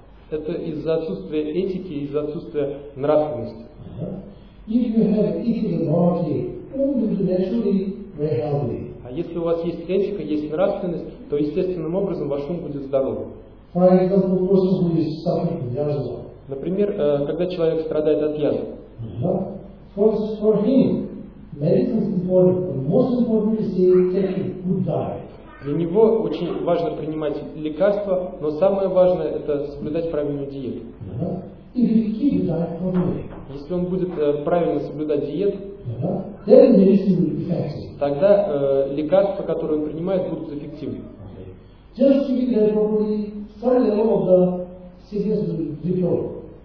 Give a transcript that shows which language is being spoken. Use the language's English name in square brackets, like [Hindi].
[Russian] Это из-за отсутствия этики, из-за отсутствия нравственности. Uh-huh. [English] If you have ethics and morality, all will naturally be healthy. [Russian] А если у вас есть этика, есть нравственность, то естественным образом ваш ум будет здоровым. [English] For example, person who is suffering from asthma. [Russian] Например, когда человек страдает от язвы. [English] Uh-huh. For him, medicine is important, but most important is to take a good diet. [Russian] Для него очень важно принимать лекарства, но самое важное – это соблюдать правильную диету. Uh-huh. Если он будет правильно соблюдать диету, [English] uh-huh. Then medicine will be effective. [Russian] Тогда лекарства, которые он принимает, будут эффективны. Okay. [English] Just to be there properly, some level of the sickness will develop.